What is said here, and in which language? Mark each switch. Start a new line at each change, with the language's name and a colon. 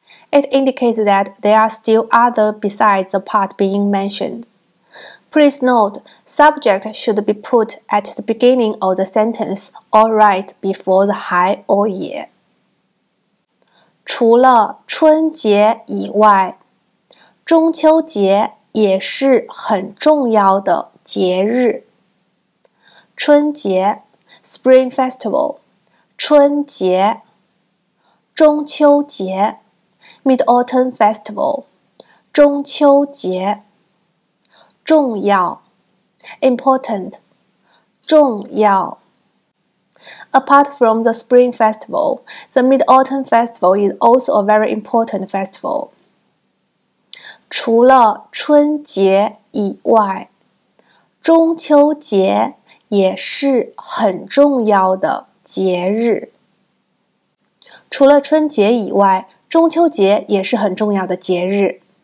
English: It indicates that there are still other besides the part being mentioned. Please note, subject should be put at the beginning of the sentence or right before the 还 or 也.
Chinese: 除了春节以外，中秋节也是很重要的节日。春节
English: Spring Festival.
Chinese: 春节、中秋节 ，
English: Mid-Autumn Festival，
Chinese: 中秋节，重要 ，
English: Important，
Chinese: 重要。
English: Apart from the Spring Festival, the Mid-Autumn Festival is also a very important festival.
Chinese: 除了春节以外，中秋节也是很重要的节日。除了春节以外，中秋节也是很重要的节日。